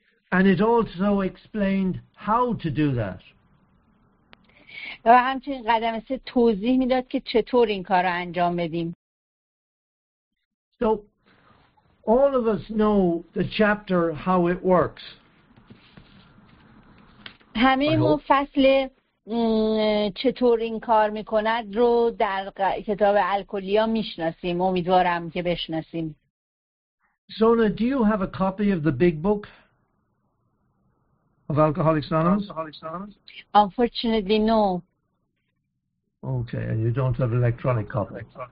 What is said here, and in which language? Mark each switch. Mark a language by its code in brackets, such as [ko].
[en] And it also explained how to do that. [fa] و همچنین قدم سه توضیح میداد که چطور این کار رو انجام بدیم. [en] So all of us know the chapter how it works. [fa] همه ما فصل چطور این کار میکند رو در کتاب الکلیا میشناسیم. امیدوارم که بشناسیم. [en] Sona, do you have a copy of the big book of Alcoholics Anonymous? Unfortunately, no. Okay, and you don't have an electronic copy.